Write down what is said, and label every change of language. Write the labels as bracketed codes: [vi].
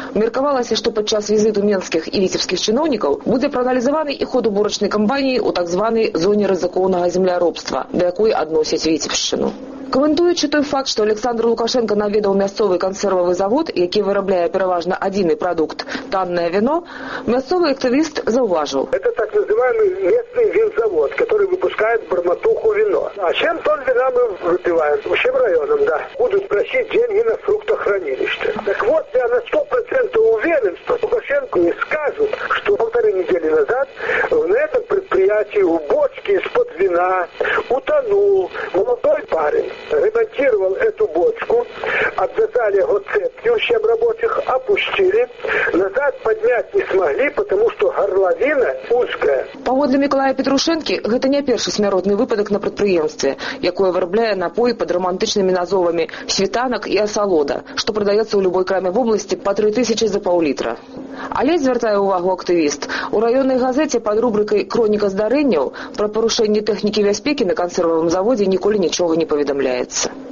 [be] Меркавалася, што падчас візіту менскіх і віцебскіх чыноўнікаў будзе прааналізаваны і ход уборачнай кампаніі ў так званай зоне рызыкоўнага земляробства, да якой адносяць Віцебшчыну. Каментуючы той факт, што Александр Лукашэнка наведаў мясцовы кансервавы завод, які вырабляе пераважна адзіны прадукт – таннае віно, мясцовы актывіст заўважыў: [ru] «Это так называемый местный винзавод, который выпускает бормотуху вино. А чем тон вина мы выпиваем? Всем районам, да. Будут просить деньги на фруктохранилище. Так вот, я на 100% уверен, что Лукашенко не скажут, что полторы недели назад на этом предприятии у бочки из-под вина утонул молодой парень. Ремонтировал эту бочку, обвязали его цепью, чем рабочих опустили, назад поднять не смогли, потому что горловина узкая». [be] Паводле Миколая Петрушэнкі, гэта не першы смяротны выпадак на прадпрыемстве, якое вырабляе напой пад романтычнымі назовамі «Світанак» і «Асалода», што прадаецца ў любой краме вобласці па 3000 за паўлітра. Але, звертае ўвагу актывіст, у раённай газеце пад рубрыкай «Кроніка здарэнняў» пра парушэнні тэхнікі бяспекі на кансервавым заводзе ніколі нічога не паведамляецца.